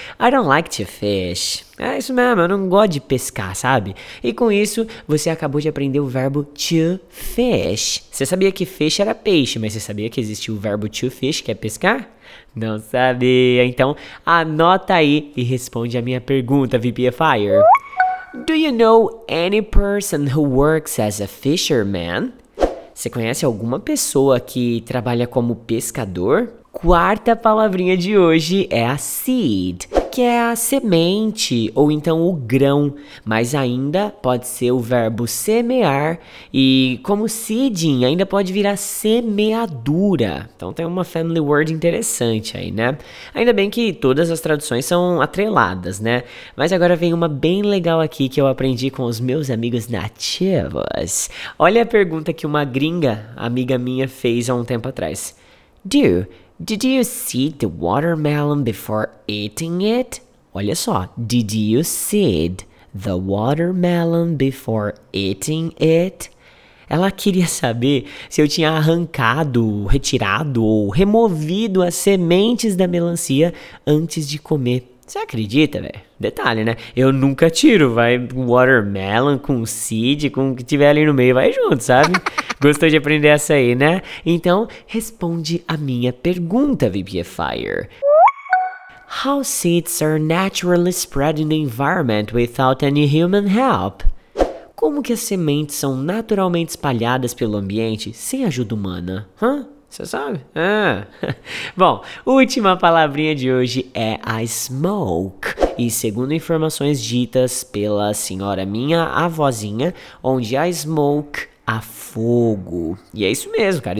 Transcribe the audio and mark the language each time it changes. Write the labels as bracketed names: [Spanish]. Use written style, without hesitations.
[English] I don't like to fish. [Portuguese] É isso mesmo, eu não gosto de pescar, sabe? E com isso, você acabou de aprender o verbo to fish. Você sabia que fish era peixe, mas você sabia que existe o verbo to fish, que é pescar? Não sabia. Então, anota aí e responde a minha pergunta, VPFire. [English] Do you know any person who works as a fisherman? [Portuguese] Você conhece alguma pessoa que trabalha como pescador? Quarta palavrinha de hoje é a seed, que é a semente ou então o grão, mas ainda pode ser o verbo semear e como seeding ainda pode virar semeadura. Então tem uma family word interessante aí, né? Ainda bem que todas as traduções são atreladas, né? Mas agora vem uma bem legal aqui que eu aprendi com os meus amigos nativos. Olha a pergunta que uma gringa, amiga minha, fez há um tempo atrás. [English] Dear, did you seed the watermelon before eating it? [Portuguese] Olha só, [English] did you seed the watermelon before eating it? [Portuguese] Ela queria saber se eu tinha arrancado, retirado ou removido as sementes da melancia antes de comer. Você acredita, velho? Detalhe, né? Eu nunca tiro, vai watermelon com seed, com o que tiver ali no meio, vai junto, sabe? Gostou de aprender essa aí, né? Então, responde a minha pergunta, VPFire. [English] How seeds are naturally spread in the environment without any human help? [Portuguese] Como que as sementes são naturalmente espalhadas pelo ambiente sem ajuda humana? Hã? Você sabe? Ah. Bom, última palavrinha de hoje é a smoke. E segundo informações ditas pela senhora minha avózinha, onde a smoke a fogo. E é isso mesmo, cara.